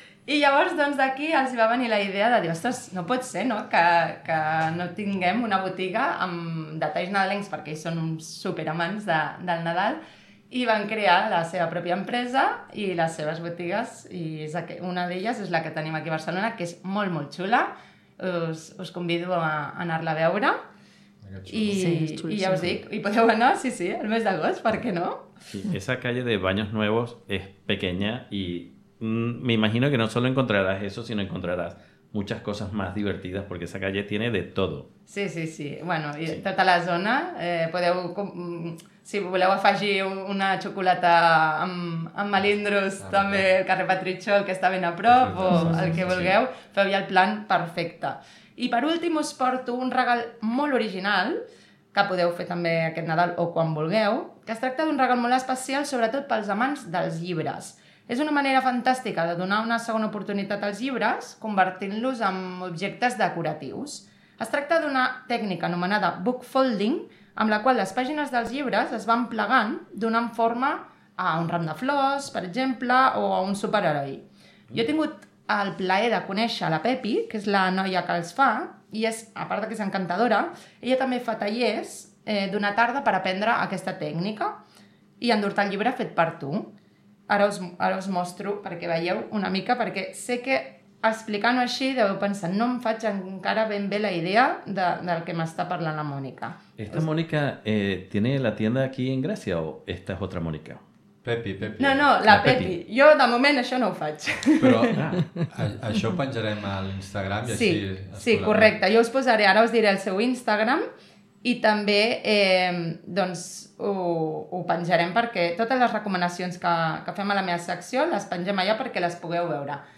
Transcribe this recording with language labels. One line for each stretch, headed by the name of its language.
Catalan: I llavors, doncs, d'aquí els va venir la idea de dir, ostres, no pot ser, no?, que no tinguem una botiga amb detalls nadalencs, perquè ells són uns superamants del Nadal, i van crear la seva pròpia empresa i les seves botigues, i és una d'elles és la que tenim aquí a Barcelona, que és molt, molt xula. Us convido a anar-la a veure. I ja us dic, hi podeu anar, sí, el mes d'agost, per què no?
Spanish: Sí, esa calle de Baños Nuevos es pequeña y me imagino que no solo encontrarás eso, sino encontrarás muchas cosas más divertidas, porque esa calle tiene de todo.
Catalan: Sí. Bueno, sí. Tota la zona, podeu... Si voleu afegir una xocolata amb malindros, també el carrer Patritxol, que està ben a prop, perfecte, o el que vulgueu, feu ja el plan perfecte. I per últim us porto un regal molt original, que podeu fer també aquest Nadal o quan vulgueu, que es tracta d'un regal molt especial, sobretot pels amants dels llibres. És una manera fantàstica de donar una segona oportunitat als llibres, convertint-los en objectes decoratius. Es tracta d'una tècnica anomenada bookfolding, amb la qual les pàgines dels llibres es van plegant donant forma a un ram de flors, per exemple, o a un superheroi. Jo he tingut el plaer de conèixer la Pepi, que és la noia que els fa, i és, a part que és encantadora, ella també fa tallers d'una tarda per aprendre aquesta tècnica i endur-te el llibre fet per tu. Ara us mostro perquè veieu una mica, perquè sé que explicant-ho així deveu pensar, no em faig encara ben bé la idea del que m'està parlant la Mònica.
Spanish: ¿Esta Mónica tiene la tienda aquí en Gràcia o esta es otra Mónica?
Catalan: Pepi. No, la Pepi. Jo, de moment, això no ho faig. Però això ho penjarem a l'Instagram i sí, així... Sí, correcte. Jo us posaré, ara us diré el seu Instagram i també doncs ho penjarem perquè totes les recomanacions que fem a la meva secció les pengem allà perquè les pugueu veure.